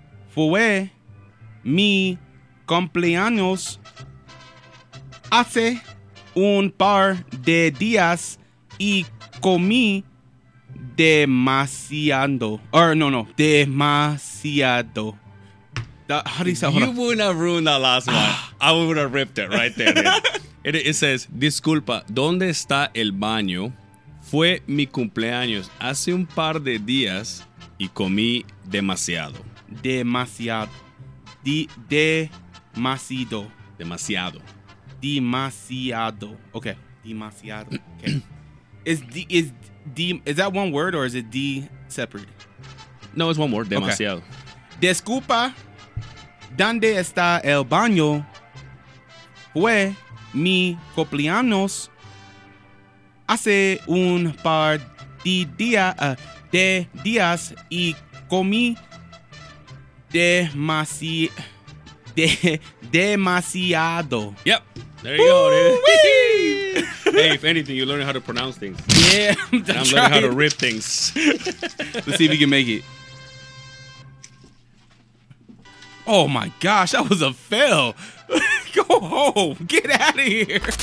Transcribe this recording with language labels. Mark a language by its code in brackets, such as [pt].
[es] Fue mi cumpleaños hace un par de días y comí demasiado. [en] Or no, demasiado. How do you say? You wouldn't have ruined that last one. I would have ripped it right there. It says, disculpa, ¿dónde está el baño? [es] Fue mi cumpleaños hace un par de días y comí demasiado. Demasiado. Demasiado. Demasiado. Demasiado. Okay. Demasiado. Okay. [en] Is that one word or is it D separate? No, it's one word. Demasiado. Okay. [es] Disculpa, ¿dónde está el baño? Fue mi cumpleaños hace un par de días y comí demasiado. [en] Yep. There you go, dude. Hey, if anything, you're learning how to pronounce things. Yeah, I'm learning how to rip things. Let's see if we can make it. Oh my gosh, that was a fail. Go home. Get out of here.